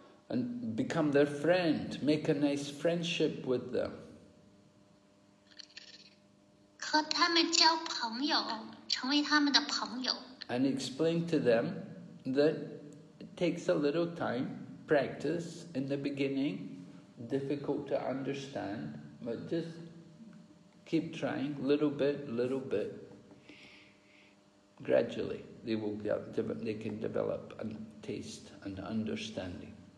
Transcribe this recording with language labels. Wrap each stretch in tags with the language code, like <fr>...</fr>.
<en>And become their friend, make a nice friendship with them.</en> <zh>和他们交朋友，成为他们的朋友。And</zh> <en>explain to them that it takes a little time, practice in the beginning, difficult to understand, but just keep trying, little bit, gradually they will get, they can develop a taste and understanding.</en>